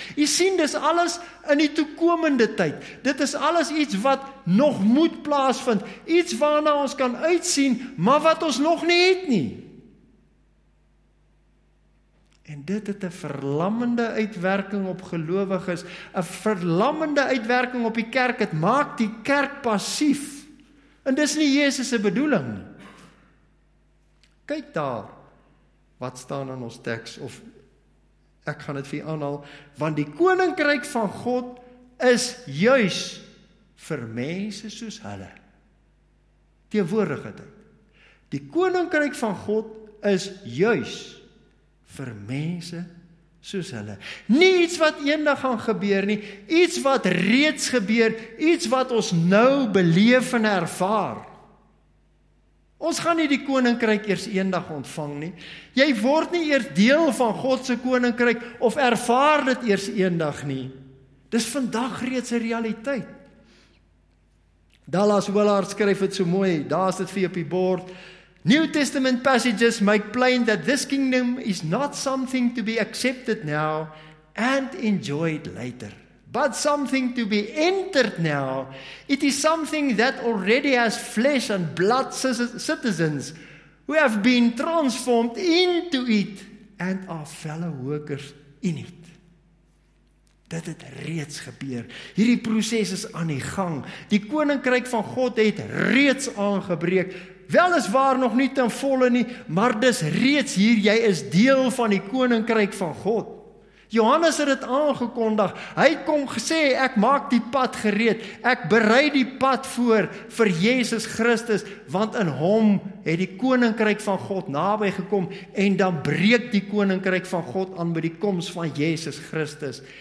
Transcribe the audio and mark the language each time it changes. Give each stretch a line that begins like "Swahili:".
Afrikaans: Jy sien, dis alles in die toekomende tyd. Dit is alles iets wat nog moet plaasvind, iets waarna ons kan uitsien, maar wat ons nog nie het nie. En dit het 'n verlammende uitwerking op gelowiges, 'n verlammende uitwerking op die kerk, het maak die kerk passief. En dis nie Jesus se bedoeling. Kyk daar, wat staan in ons teks, of ek gaan dit vir aanhaal, want die koninkryk van God is juis vir mense soos hulle. Teenwoordige tyd. Die koninkryk van God is juis vir mense soos hulle. Nie iets wat eendag gaan gebeur nie, iets wat reeds gebeur, iets wat ons nou beleef en ervaar. Ons gaan nie die koninkryk eers eendag ontvang nie. Jy word nie eers deel van Godse koninkryk of ervaar dit eers eendag nie. Dis vandag reeds 'n realiteit. Dallas Willard skryf dit so mooi, daar is dit vir jou op die bord.
English: New Testament passages make plain that this kingdom is not something to be accepted now and enjoyed later. But something to be entered now, it is something that already has flesh and blood citizens who have been transformed into it and are fellow workers in it.
Afrikaans: Dit het reeds gebeur. Hierdie proses is aan die gang. Die koninkryk van God het reeds aangebreek. Wel is waar nog nie ten volle nie, maar dis reeds hier, jy is deel van die koninkryk van God. Johannes het dit aangekondig, hy kom gesê, ek maak die pad gereed, ek berei die pad vir Jesus Christus, want in hom het die koninkryk van God naby gekom, en dan breek die koninkryk van God aan by die koms van Jesus Christus.